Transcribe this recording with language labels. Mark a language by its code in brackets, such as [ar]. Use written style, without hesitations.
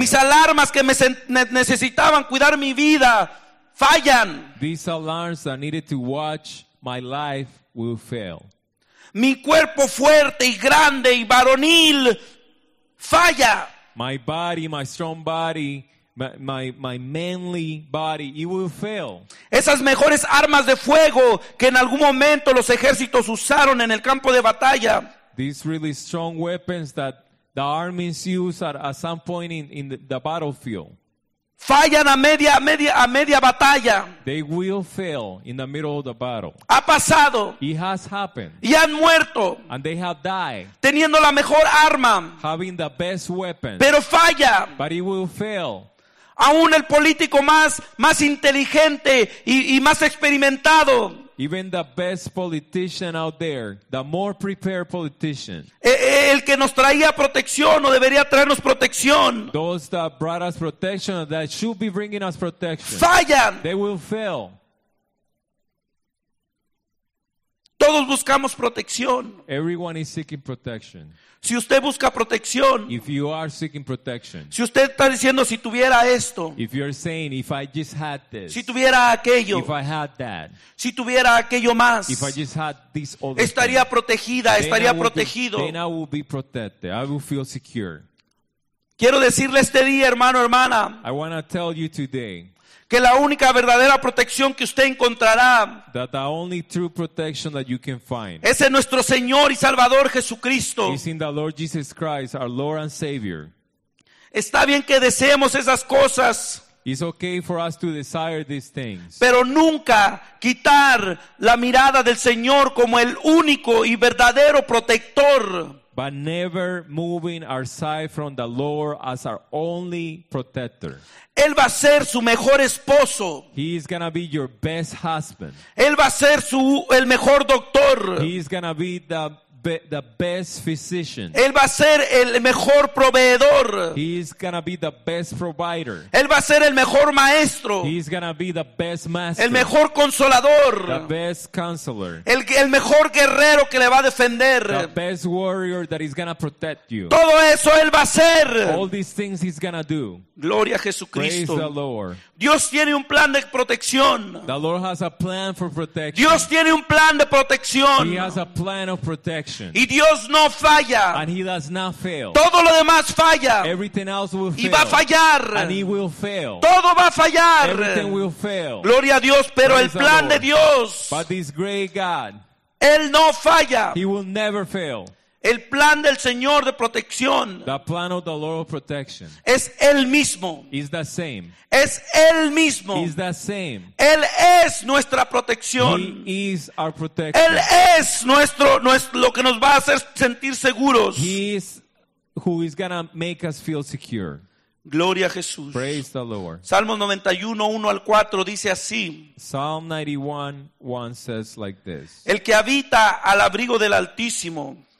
[es] Mis alarmas que me necesitaban cuidar mi vida fallan. [en] These alarms that needed to watch my life will fail. [es] Mi cuerpo fuerte y grande y varonil falla. [en] My body, my strong body, my manly body, it will fail. [es] Esas mejores armas de fuego que en algún momento los ejércitos usaron en el campo de batalla. [en] These really strong weapons that the armies use at some point in the battlefield. [es] Fallan a media batalla. [en] They will fail in the middle of the battle. [es] Ha pasado. [en] It has happened. [es] Y han muerto. [en] And they have died. [es] Teniendo la mejor arma. [en] Having the best weapon. [es] Pero falla. [en] But it will fail. [es] Aún el político más inteligente y más experimentado. [en] Even the best politician out there, the more prepared politician. [es] El que nos traía protección o debería traernos protección. [en] Those that brought us protection or that should be bringing us protection. [es] Fallan. [en] They will fail. [es] Todos buscamos protección. [en] Everyone is seeking protection. [es] Si usted busca protección. [en] If you are seeking protection. [es] Si usted está diciendo si tuviera esto. [en] If you are saying if I just had this. [es] Si tuviera aquello. [en] If I had that. [es] Si tuviera aquello más. [en] If I just had this other. [es] Estaría [en] thing, [es] protegida, estaría [en] then [es] protegido. [en] Be, then I will be protected. I will feel secure. [es] Quiero decirle este día, hermano, hermana. [en] I want to tell you today. [es] Que la única verdadera protección que usted encontrará [en] that the only true protection that you can find [es] es en nuestro Señor y Salvador Jesucristo. [en] Is in the Lord Jesus Christ, our Lord and Savior. [es] Está bien que deseemos esas cosas. [en] It's okay for us to desire these things. [es] Pero nunca quitar la mirada del Señor como el único y verdadero protector. [en] But never moving our sight from the Lord as our only protector. [es] Él va a ser su mejor esposo. [en] He is gonna be your best husband. [es] Él va a ser el mejor doctor. [en] He is gonna be the best physician. [es] Él va a ser el mejor proveedor. [en] He is gonna be the best provider. [es] Él va a ser el mejor maestro. [en] He is gonna be the best master. [es] El mejor consolador. [en] The best counselor. [es] El mejor guerrero que le va a defender. [en] The best warrior that is gonna protect you. [es] Todo eso él va a ser. [en] All these things he's gonna do. [es] Gloria a Jesucristo. [en] Praise the Lord. [es] Dios tiene un plan de protección. [en] The Lord has a plan for protection. [es] Dios tiene un plan de protección. [en] He has a plan of protection. [es] Y Dios no falla. [en] And he does not fail. [es] Todo lo demás falla. [en] Everything else will [es] y [en] fail. [es] Y va a fallar. [en] And he will fail. [es] Todo va a fallar. [en] Everything will fail. [es] Gloria a Dios, pero [en] praise [es] el plan de Dios. [en] But this great God. [es] Él no falla. [en] He will never fail. [es] El plan del Señor de protección. [en] The plan of the Lord of protection. [es] Es el mismo. [en] Is the same. [es] Es el mismo. [en] Is the same. [es] Él es nuestra protección. [en] He is our protection. [es] Él es nuestro lo que nos va a hacer sentir seguros. [en] He is who is gonna make us feel secure. [es] Gloria a Jesús. [en] Praise the Lord. [es] Salmo 91, 1 al 4 dice así. [en] Psalm 91, 1 says like this. [es] El que habita al abrigo del Altísimo.